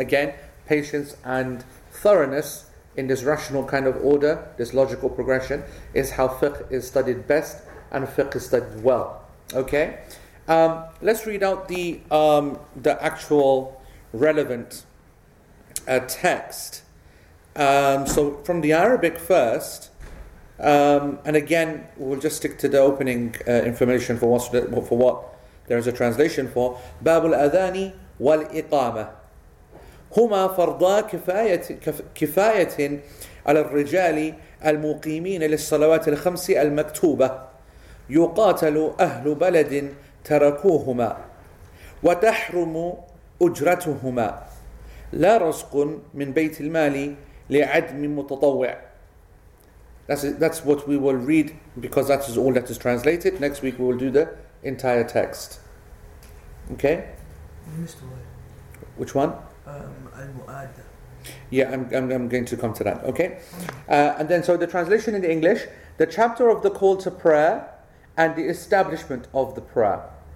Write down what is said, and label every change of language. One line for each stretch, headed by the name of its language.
English: Again, patience and thoroughness in this rational kind of order, this logical progression, is how fiqh is studied best and fiqh is studied well. Okay, let's read out the actual relevant text. So from the Arabic first, and again, we'll just stick to the opening information for what there is a translation for.
Arabic: باب الأذان والإقامة هما فرضا كفاية على الرجال المقيمين للصلوات الخمس المكتوبة يقاتل أهل بلد تركوهما وتحرم أجرتهما لا رزق من بيت المال لعدم متطوع.
English: That's what we will read, because that is all that is translated. Next week we will do the entire text. Okay? You missed a word. Which one? Al-Mu'adda. Yeah, I'm going to come to that. Okay? And then, so the translation in English, the chapter of the call to prayer and the establishment of the prayer.